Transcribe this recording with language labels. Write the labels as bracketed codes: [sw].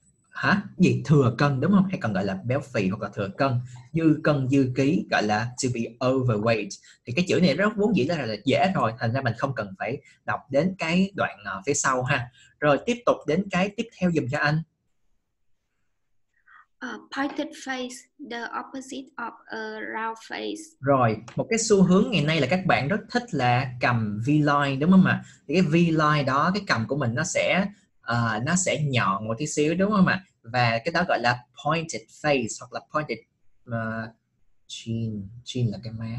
[vi] Hả? Gì? Thừa cân đúng không? Hay còn gọi là béo phì hoặc là thừa cân, dư cân dư ký, gọi là [en] to be overweight. [vi] Thì cái chữ này rất vốn dĩ là dễ rồi, thành ra mình không cần phải đọc đến cái đoạn phía sau ha. Rồi tiếp tục đến cái tiếp theo giùm cho anh. [en] A pointed face, the opposite of a round face. [vi] Rồi, một cái xu hướng ngày nay là các bạn rất thích là cầm V-line, đúng không ạ? Thì cái V-line đó, cái cầm của mình nó sẽ nhọn một tí xíu, đúng không ạ? Và cái đó gọi là [en] pointed face [vi] hoặc là [en] pointed chin [vi] là cái má.